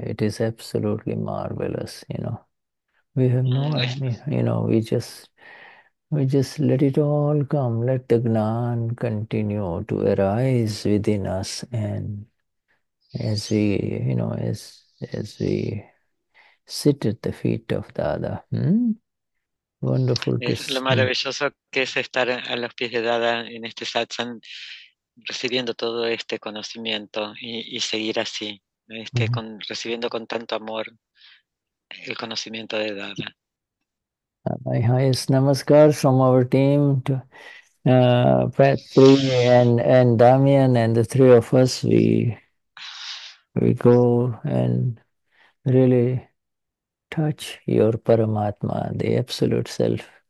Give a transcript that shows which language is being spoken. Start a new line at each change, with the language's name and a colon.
English: It is absolutely marvelous, you know. We have no any, you know, we just let it all come, let the Gnan continue to arise within us, and as we, you know, as we sit at the feet of Dada. Wonderful to
Spanish: Es lo
English: see.
Spanish: maravilloso que es estar a los pies de Dada en este satsang, recibiendo todo este conocimiento y seguir así, recibiendo con tanto amor el conocimiento de Dada.
English: My highest namaskar from our team to Patri and Damien and the three of us. We go and really touch your Paramatma, the absolute self.